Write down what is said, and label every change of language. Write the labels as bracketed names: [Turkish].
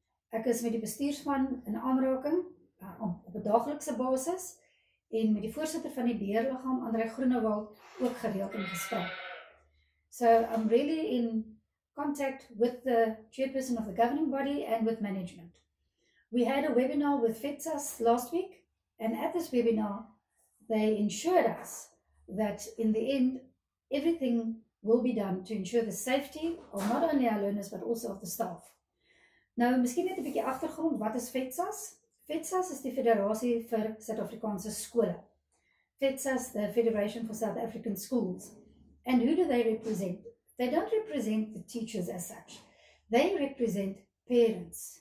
[Afrikaans] Ek is met die bestuursspan in aanraking op 'n daaglikse basis en met die voorsitter van die beheerliggaam Andre Groenewald ook gereeld in gesprek. [English] So I'm really in contact with the chairperson of the governing body and with management. We had a webinar with FETSAS last week. And at this webinar, they ensured us that in the end, everything will be done to ensure the safety of not only our learners, but also of the staff. [Afrikaans] Nou, miskien net 'n bietjie agtergrond, wat is FETSAS? FETSAS is die Federasie vir Suid-Afrikaanse Skole. [English] FETSAS, the Federation for South African Schools. And who do they represent? They don't represent the teachers as such. They represent parents.